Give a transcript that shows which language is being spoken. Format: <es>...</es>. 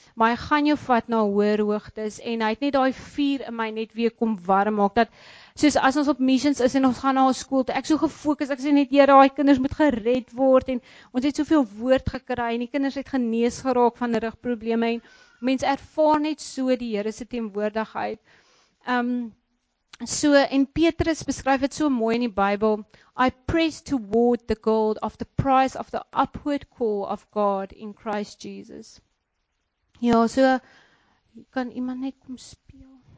<af>Maar hy gaan jou vat na hoër hoogtes en hy het net daai vuur in my net weer kom warm maak dat soos as ons op missions is en ons gaan na 'n skool toe, ek so gefokus, ek sê net, "Here, daai kinders moet gered word," en ons het soveel woord gekry en die kinders het genees geraak van rugprobleme en mense ervaar net so die Here se teenwoordigheid. So, en Petrus beskryf dit so mooi in die Bybel.</af> <en>I press toward the goal of the prize of the upward call of God in Christ Jesus.</en> <af>Ja, so, kan iemand net kom speel?</af>